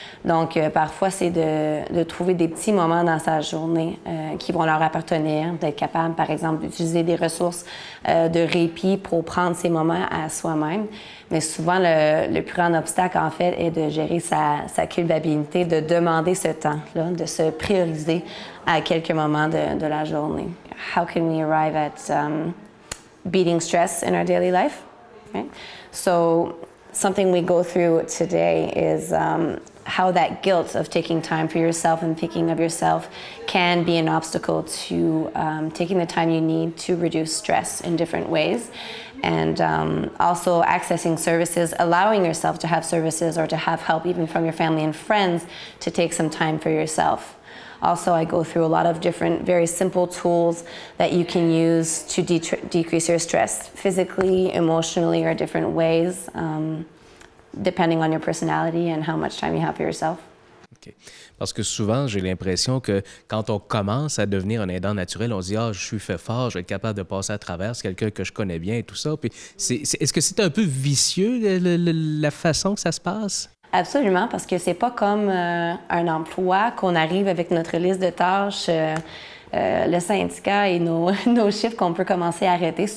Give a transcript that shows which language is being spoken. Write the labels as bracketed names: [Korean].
[French] Donc, parfois, c'est de trouver des petits moments dans sa journée qui vont leur appartenir, d'être capable, par exemple, d'utiliser des ressources de répit pour prendre ces moments à soi-même. Mais souvent, le plus grand obstacle, en fait, est de gérer sa culpabilité, de demander ce temps-là, de se prioriser à quelques moments de la journée. [English] How can we arrive at beating stress in our daily life, right? So something we go through today is how that guilt of taking time for yourself and thinking of yourself can be an obstacle to taking the time you need to reduce stress in different ways. And also accessing services, allowing yourself to have services or to have help even from your family and friends to take some time for yourself. Also, I go through a lot of different, very simple tools that you can use to decrease your stress physically, emotionally, or different ways, depending on your personality and how much time you have for yourself. Okay. [French] Parce que souvent, j'ai l'impression que quand on commence à devenir un aidant naturel, on se dit « Ah, je suis fait fort, je vais être capable de passer à travers, c'est quelqu'un que je connais bien et tout ça. » Puis est-ce que c'est un peu vicieux la façon que ça se passe? Absolument, parce que c'est pas comme un emploi qu'on arrive avec notre liste de tâches, le syndicat et nos chiffres qu'on peut commencer à arrêter.